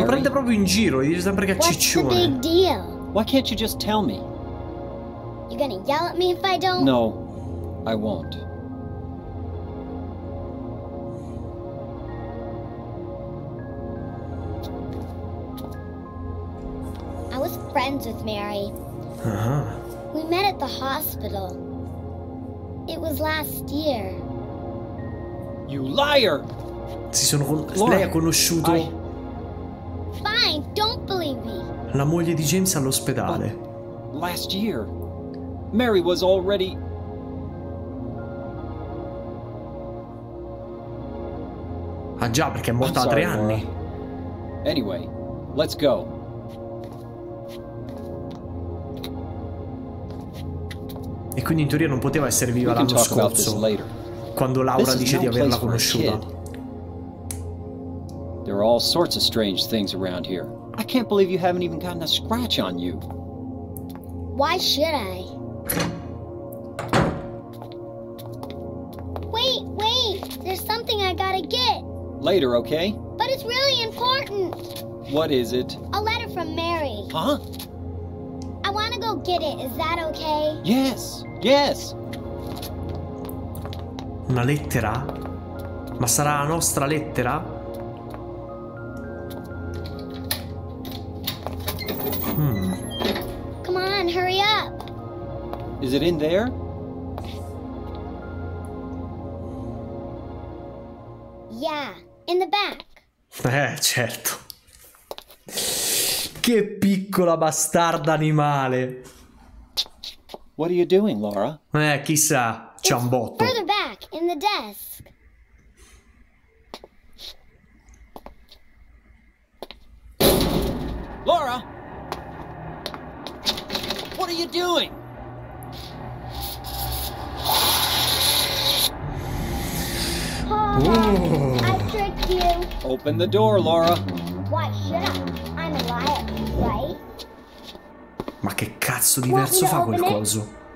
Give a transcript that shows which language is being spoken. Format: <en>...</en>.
<it>Lo prende proprio in giro, gli dice sempre che è ciccione.</it> <en>What's the big deal? Why can't you just tell me? You're gonna yell at me if I don't? No, I won't. I was friends with Mary. Uh-huh. We met at the hospital. It was last year. You liar!</en> <it>Lei ha conosciuto.</it> <en>Fine, don't believe me.</en> <it>La moglie di James all'ospedale.</it> <en>But last year, Mary was already.</en> <it>Ah già, perché è morta da 3 anni.</it> <en>Anyway, let's go.</en> <it>E quindi in teoria non poteva essere viva l'anno scorso, quando Laura dice di averla conosciuta.</it> <en>There are all sorts of strange things around here. I can't believe you haven't even gotten a scratch on you. Why should I? Wait, wait! There's something I gotta get! Later, okay? But it's really important! What is it? A letter from Mary. Huh? I wanna go get it, is that okay? Yes, yes!</en> <it>Una lettera? Ma sarà la nostra lettera?</it> <en>Come on, hurry up. Is it in there? Yeah, in the back.</en> <it>Certo. Che piccola bastarda animale.</it> <en>What are you doing, Laura?</en> <it>Chissà, ciambotto.</it> <en>It's further back, in the desk. Laura! What are you doing? Oh, I tricked you. Open the door, Laura. Why should I? I'm a liar, right?</en> <it>Ma che cazzo di verso fa quel coso?</it>